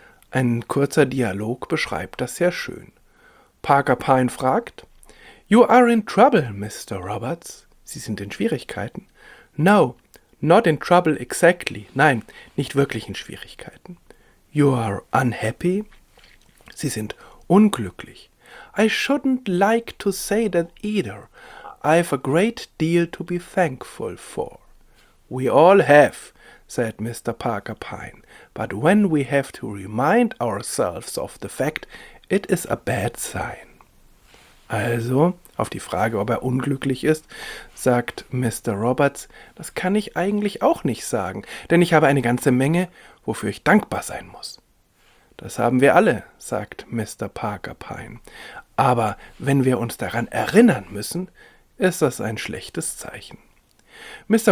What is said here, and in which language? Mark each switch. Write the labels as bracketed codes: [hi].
[de] Ein kurzer Dialog beschreibt das sehr schön. Parker Pine fragt: [en] "You are in trouble, Mr. Roberts." [de] "Sie sind in Schwierigkeiten." [en] "No. Not in trouble exactly." [de] "Nein, nicht wirklich in Schwierigkeiten." [en] "You are unhappy." [de] "Sie sind unglücklich." [en] "I shouldn't like to say that either. I've a great deal to be thankful for." "We all have," said Mr. Parker Pine. "But when we have to remind ourselves of the fact, it is a bad sign." [de] Also, auf die Frage, ob er unglücklich ist, sagt Mr. Roberts, das kann ich eigentlich auch nicht sagen, denn ich habe eine ganze Menge, wofür ich dankbar sein muss. Das haben wir alle, sagt Mr. Parker Pine. Aber wenn wir uns daran erinnern müssen, ist das ein schlechtes Zeichen. Mr.